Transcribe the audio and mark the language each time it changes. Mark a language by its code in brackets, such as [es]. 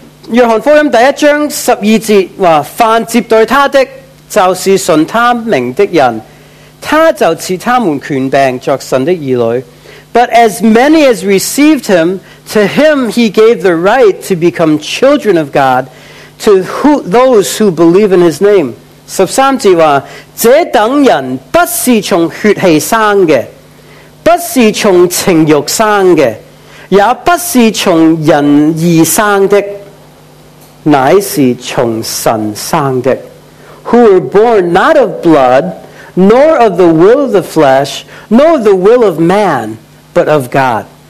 [zh] 约翰福音第一章十二节,凡接待他的,就是信他名的人, 他就赐他们权柄,作神的儿女. [en] But as many as received him, to him he gave the right to become children of God, to who, those who believe in his name. [zh] 十三节说,这等人不是从血气生的,不是从情欲生的,也不是从人意生的,乃是从神生的. [en] Who were born not of blood, nor of the will of the flesh, nor the will of man, but of God.